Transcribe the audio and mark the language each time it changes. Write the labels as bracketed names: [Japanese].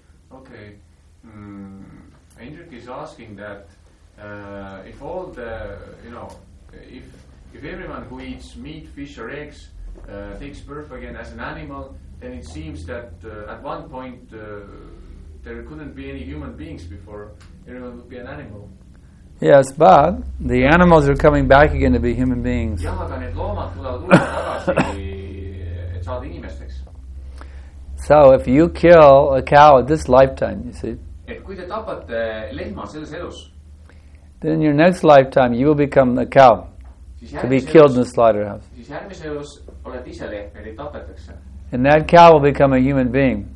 [English] Okay, Hendrik is asking that if all the, you know, if everyone who eats meat, fish or eggs takes birth again as an animal, then it seems that at one point there couldn't be any human beings before everyone would be an animal. Yes, but the animals are coming back again to be human beings. [Estonian] Jah, aga need loomad tulevad uuesti tagasi inimesteks. [English] So if you kill a cow this lifetime, you see, [Estonian] et kui te tapate lehma selles elus, [English] then in your next lifetime you will become a cow to be killed in the slaughterhouse. [Estonian] Siis järgmise elus oled ise lehm, et ei tapetakse. [English] And that cow will become a human being.